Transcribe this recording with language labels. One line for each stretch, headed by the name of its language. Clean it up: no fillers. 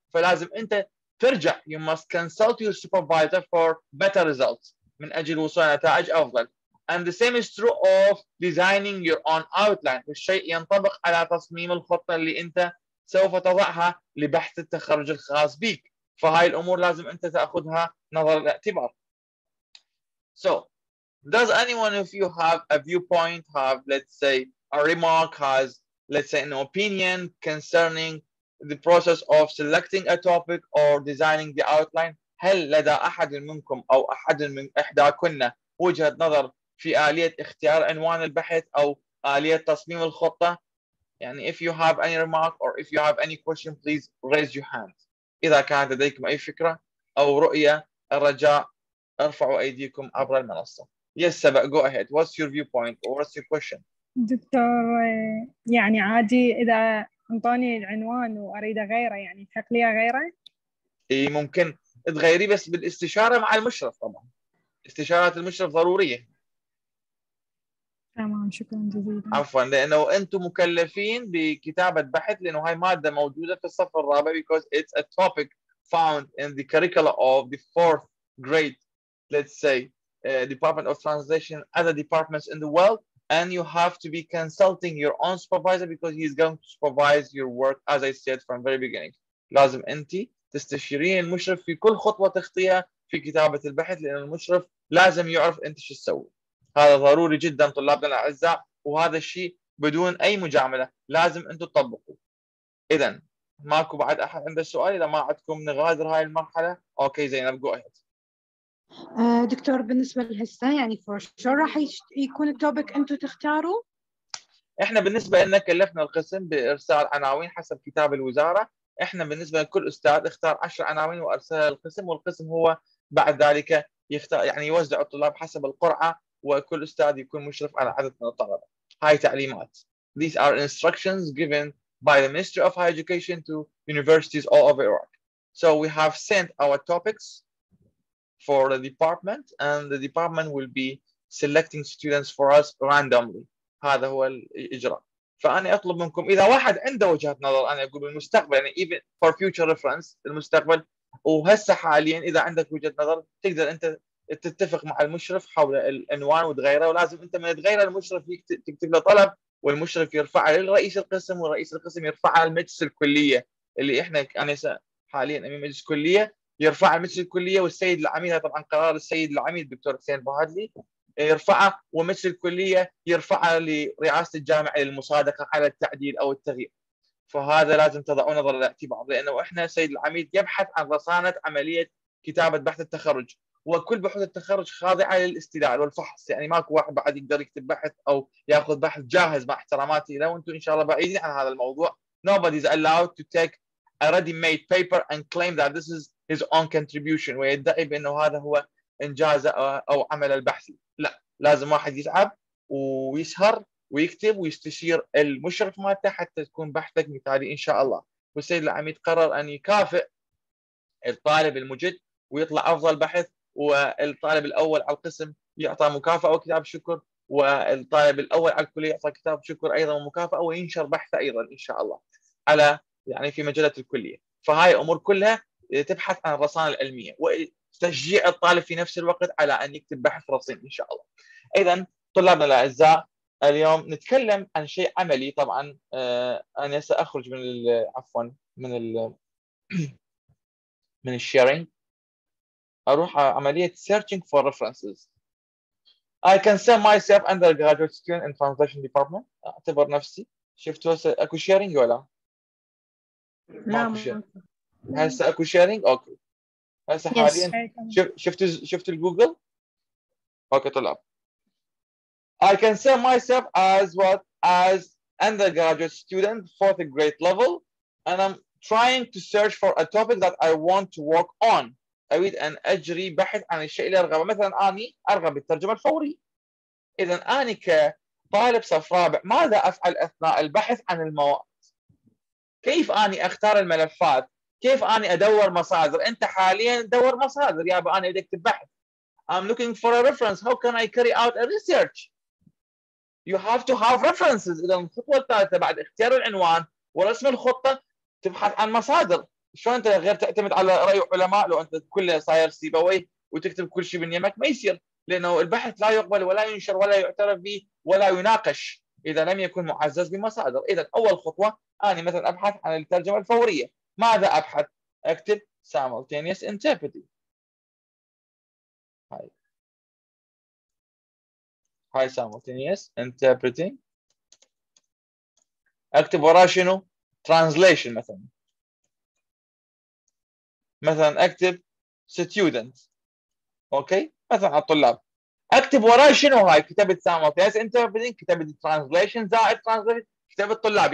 Arabic: فلازم أنت ترجع،
English: you must consult your supervisor for better results،
Arabic: من أجل وصول نتائج أفضل.
English: And the same is true of designing your own outline،
Arabic: والشيء ينطبق على تصميم الخطة اللي أنت سوف تضعها لبحث التخرج الخاص بك. فهاي الأمور لازم أنت تأخذها نظر الاعتبار.
English: So does anyone of you have a viewpoint, have, let's say, a remark, has, let's say, an opinion concerning the process of selecting a topic or designing the outline?
Arabic: هل لدى أحد منكم أو أحد من إحداكن وجهة نظر في آلية اختيار عنوان البحث أو آلية تصميم الخطة؟ يعني
English: if you have any remark or if you have any question, please raise your hand.
Arabic: إذا كانت لديكم أي فكرة أو رؤية، الرجاء ارفعوا أيديكم عبر المنصة.
English: Yes, Saba, go ahead. What's your viewpoint or what's your question?
Arabic: دكتور، يعني عادي إذا أعطاني العنوان وأريد أغيره، يعني تحق لي أغيره؟ إيه ممكن تغيري، بس بالاستشارة مع المشرف طبعا. استشارات المشرف ضرورية. تمام، شكرا جزيلا. عفوا، لأنه أنتم مكلفين بكتابة بحث، لأنه هاي مادة موجودة في الصف الرابع،
English: because it's a topic found in the curricula of the fourth grade, let's say. Department of Translation, other departments in the world, and you have to be consulting your own supervisor because he is going to supervise your work, as I said from the very beginning.
Arabic: لازم أنت تستشيرين المشرف في كل خطوة تخطيها في كتابة البحث، لأن المشرف لازم يعرف أنت شو تسوي. هذا ضروري جدا طلابنا الأعزاء، وهذا الشيء بدون أي مجاملة لازم أنتوا تطبقوا. إذا ماكو بعد أحد عنده سؤال؟ إذا ما عندكم نغادر هاي المرحلة. أوكي زينب،
English: go ahead.
Arabic: دكتور، بالنسبة للهسة يعني
English: for sure
Arabic: راح يكون التوبك أنتوا تختاروا؟ إحنا بالنسبة لنا كلفنا القسم بإرسال عناوين حسب كتاب الوزارة. إحنا بالنسبة لكل أستاذ اختار 10 عناوين وأرسلها للقسم، والقسم هو بعد ذلك يختار، يعني يوزع الطلاب حسب القرعة، وكل أستاذ يكون مشرف على عدد من الطلبة. هاي تعليمات.
English: These are instructions given by the Ministry of Higher Education to universities all over Iraq. So we have sent our topics for the department, and the department will be selecting students for us randomly.
Arabic: هذا هو الإجراء. فأنا أطلب منكم، إذا واحد عنده وجهة نظر، أنا أقول بالمستقبل، يعني
English: even for future reference،
Arabic: المستقبل وهسه حاليا، إذا عندك وجهة نظر تقدر أنت تتفق مع المشرف حول العنوان وتغيره، ولازم أنت من تغير المشرف تكتب له طلب، والمشرف يرفعه للرئيس القسم، ورئيس القسم يرفعه لمجلس الكلية، اللي إحنا أنا حاليا أمين مجلس كلية، يرفع المجلس الكلية والسيد العميد، طبعا قرار السيد العميد دكتور حسين بهادلي، يرفعه ومجلس الكلية يرفعه لرئاسة الجامعة للمصادقة على التعديل أو التغيير. فهذا لازم تضعوا نظر الاعتبار، لأنه إحنا السيد العميد يبحث عن رصانة عملية كتابة بحث التخرج، وكل بحث التخرج خاضعة للاستدلال والفحص، يعني ماكو واحد بعد يقدر يكتب بحث أو يأخذ بحث جاهز، مع احتراماتي لو أنتم إن شاء الله بعيدين عن هذا الموضوع.
English: Nobody is allowed to take a ready-made paper and claim that this is his own contribution،
Arabic: ويدعي بأنه هذا هو إنجازه أو عمل البحثي. لا، لازم واحد يتعب ويسهر ويكتب ويستشير المشرف مالته حتى تكون بحثك مثالي إن شاء الله. والسيد العميد قرر أن يكافئ الطالب المجد ويطلع أفضل بحث، والطالب الأول على القسم يعطى مكافأة وكتاب شكر، والطالب الأول على الكلية يعطى كتاب شكر أيضا ومكافأة، وينشر بحثه أيضا إن شاء الله على يعني في مجلة الكلية. فهاي أمور كلها تبحث عن الرصانة العلمية وتشجيع الطالب في نفس الوقت على أن يكتب بحث رصين إن شاء الله. إذا طلابنا الأعزاء، اليوم نتكلم عن شيء عملي. طبعا أنا سأخرج من من الشيرينج، أروح عملية
English: searching for references. I can say myself undergraduate student in translation department،
Arabic: أعتبر نفسي. شفتوا أكو شيرينج ولا هسه اكو شيرنج. اوكي هسه حاليا شفت الجوجل. اوكي طلع
English: I can say myself as what as undergraduate student fourth grade level and I'm trying to search for a topic that I want to work on.
Arabic: اريد ان اجري بحث عن الشيء اللي ارغبه. مثلا اني ارغب بالترجمه الفوري. اذا اني كطالب صف رابع ماذا افعل اثناء البحث عن المواد؟ كيف اني اختار الملفات؟ كيف اني ادور مصادر؟ انت حاليا تدور مصادر يا ابو اني اكتب بحث.
English: I'm looking for a reference. How can I carry out a research? You have to have references.
Arabic: اذا الخطوه الثالثه بعد اختيار العنوان ورسم الخطه تبحث عن مصادر. شو انت غير تعتمد على راي علماء لو انت كله صاير سيبوي وتكتب كل شيء من يمك؟ ما يصير، لانه البحث لا يقبل ولا ينشر ولا يعترف به ولا يناقش اذا لم يكن معزز بمصادر. اذا اول خطوه اني مثلا ابحث عن الترجمه الفوريه، ماذا ابحث؟ اكتب simultaneous interpreting. هاي simultaneous interpreting. اكتب وراء شنو؟ translation مثلا. مثلا اكتب student. اوكي مثلا على الطلاب اكتب وراء شنو؟ هاي كتبت simultaneous interpreting، كتبت translation زائد translation، كتبت الطلاب.